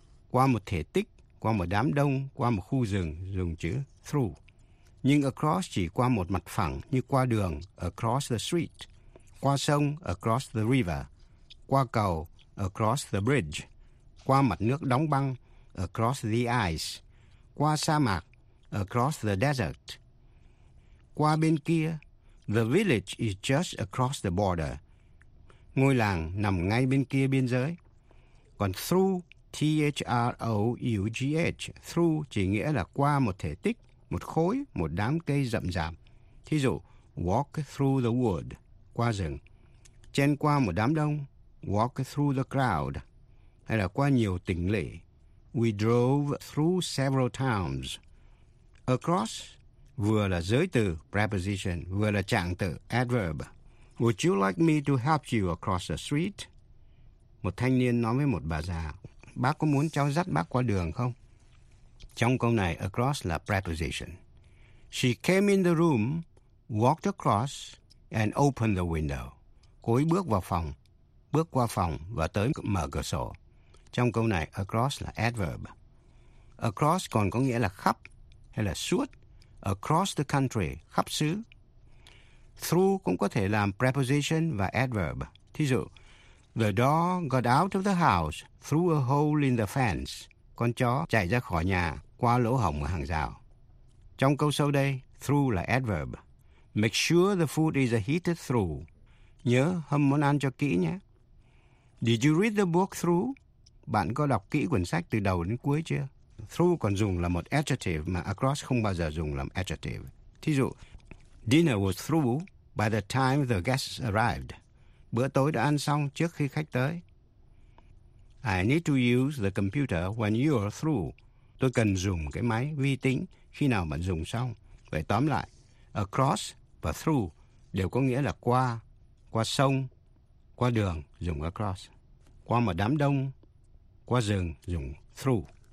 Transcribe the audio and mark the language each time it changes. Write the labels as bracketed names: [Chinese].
[Vietnamese] Qua một thể tích, qua một đám đông, qua một khu rừng dùng chữ through. Nhưng across chỉ qua một mặt phẳng như qua đường, [English] across the street. [Vietnamese] Qua sông, [English] across the river. [Vietnamese] Qua cầu, [English] across the bridge. [Vietnamese] Qua mặt nước đóng băng, [English] across the ice. [Vietnamese] Qua sa mạc, [English] across the desert. [Vietnamese] Qua bên kia, [English] the village is just across the border. [Vietnamese] Ngôi làng nằm ngay bên kia biên giới. Còn through, T-H-R-O-U-G-H, through chỉ nghĩa là qua một thể tích, một khối, một đám cây rậm rạp. Thí dụ, [English] walk through the wood, [Vietnamese] qua rừng. Chen qua một đám đông, [English] walk through the crowd. [Vietnamese] Hay là qua nhiều tỉnh lỵ. [English] We drove through several towns. [Vietnamese] Across vừa là giới từ preposition, vừa là trạng từ adverb. [English] Would you like me to help you across the street? [Vietnamese] Một thanh niên nói với một bà già, bác có muốn cháu dắt bác qua đường không? Trong câu này, across là preposition. [English] She came in the room, walked across, and opened the window. [Vietnamese] Cô ấy bước vào phòng, bước qua phòng và tới mở cửa sổ. Trong câu này, across là adverb. Across còn có nghĩa là khắp hay là suốt. [English] Across the country, [Vietnamese] khắp xứ. Through cũng có thể làm preposition và adverb. Thí dụ, [English] the dog got out of the house through a hole in the fence. [Vietnamese] Con chó chạy ra khỏi nhà qua lỗ hổng ở hàng rào. Trong câu sau đây, through là adverb. [English] Make sure the food is heated through. [Vietnamese] Nhớ hâm món ăn cho kỹ nhé. [English] Did you read the book through? [Vietnamese] Bạn có đọc kỹ quyển sách từ đầu đến cuối chưa? Through còn dùng là một adjective mà across không bao giờ dùng làm adjective. Thí dụ, [English] dinner was through by the time the guests arrived. [Vietnamese] Bữa tối đã ăn xong trước khi khách tới. [English] I need to use the computer when you are through. [Vietnamese] Tôi cần dùng cái máy vi tính khi nào bạn dùng xong. Vậy tóm lại, across và through đều có nghĩa là qua, qua sông, qua đường dùng across. Qua một đám đông, qua rừng dùng through.